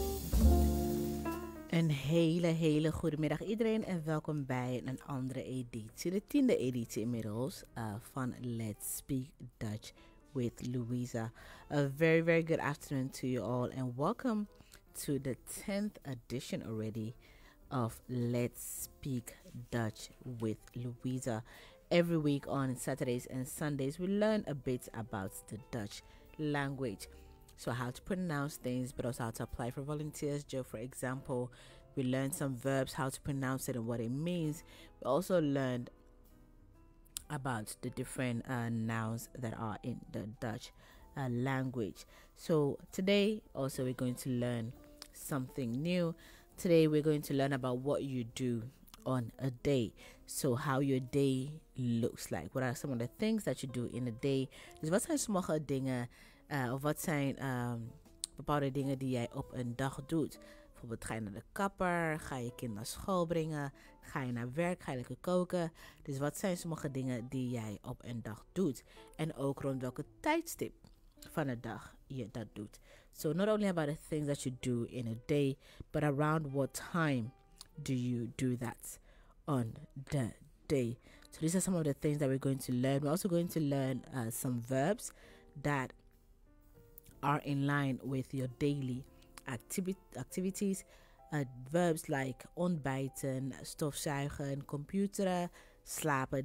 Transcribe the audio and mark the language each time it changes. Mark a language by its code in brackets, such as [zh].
[nl] Hele goedemiddag iedereen en welkom bij een andere editie, de 10e editie inmiddels, van Let's Speak Dutch with Louisa. [en] A very, very good afternoon to you all and welcome to the 10th edition already of Let's Speak Dutch with Louisa. Every week on Saturdays and Sundays, we learn a bit about the Dutch language. So how to pronounce things, but also how to apply for volunteers. Joe, for example, we learned some verbs, how to pronounce it and what it means. We also learned about the different nouns that are in the Dutch language. So today also we're going to learn something new. Today we're going to learn about what you do on a day. So how your day looks like. What are some of the things that you do in a day? [nl] Dus wat zijn sommige dingen, of wat zijn bepaalde dingen die jij op een dag doet? Bijvoorbeeld, ga je naar de kapper, ga je kind naar school brengen, ga je naar werk, ga je lekker koken. Dus wat zijn sommige dingen die jij op een dag doet? En ook rond welke tijdstip van de dag je dat doet. [en] So not only about the things that you do in a day, but around what time do you do that on the day? So these are some of the things that we're going to learn. We're also going to learn some verbs that are in line with your daily activities, verbs like ontbijten, stofzuigen, computeren, slapen.